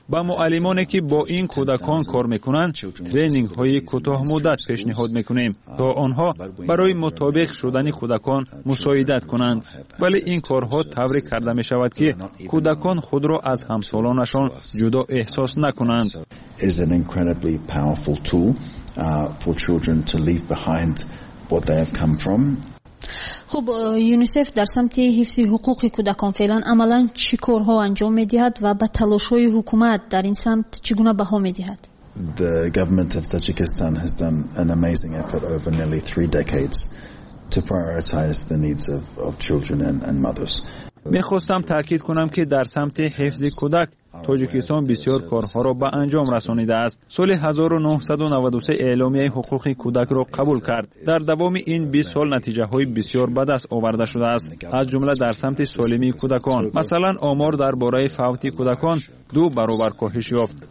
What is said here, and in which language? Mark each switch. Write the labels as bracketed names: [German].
[Persian] با معلمانی که با این کودکان کار میکنند ترینینگ های کوتاه مدت پیشنهاد میکنیم تا آنها برای مطابق شدن کودکان مساعدت کنند. ولی این کارها طوری کرده میشود که کودکان خود را از همسالانشان جدا احساس نکنند. [English] Is an incredibly powerful tool for children to leave behind what they have come from. [Persian] خب یونیسف در سمت حفظ حقوق کودکان فعلا عملا چی کارها انجام میدهد و با تلاش های حکومت در این سمت چگونه بها میدهد؟ [English] The government of Tajikistan has done an amazing effort over nearly 3 decades to prioritize the needs of children and mothers. [Persian] میخواستم تاکید کنم که در سمت حفظ کودک تاجیکستان بسیار کارها را به انجام رسانیده است. سال 1993 اعلامیه حقوق کودک را قبول کرد. در دوام این 20 سال نتیجه های بسیار بد است آورده شده است. از جمله در سمت سالمی کودکان. مثلا آمار در باره فوت کودکان 2 برابر کاهش یافت.